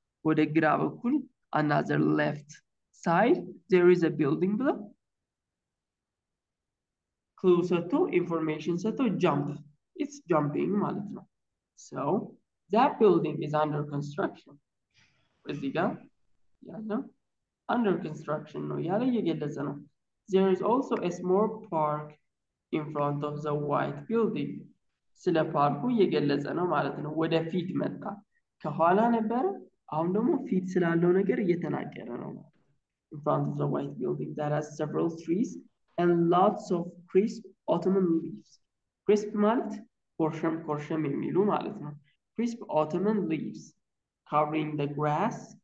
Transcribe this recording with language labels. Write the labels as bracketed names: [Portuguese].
[Amharic] ወደ ግራ በኩል, [English] another left side, there is a building below. Clue ሰጥቶ, information ሰጥቶ, jump. It's jumping [Amharic] ማለት ነው. [English] So, that building is under construction. [Amharic] እዚህ ጋ ያለ [English] under construction [Amharic] ነው ያለ እየገለጸ ነው. [English] There is also a small park in front of the white building. [Amharic] ስለ ፓርኩ እየገለጸ ነው ማለት ነው. ወደ ፊት መጣ. ከኋላ ነበረ. አሁን ደግሞ ፊት ስላለው ነገር እየተናገረ ነው. [English] In front of the white building that has several trees and lots of crisp autumn leaves. [Amharic] Crisp ማለት ኮርሸም ኮርሸም የሚሉ ማለት ነው. [English] Crisp autumn leaves covering the grass.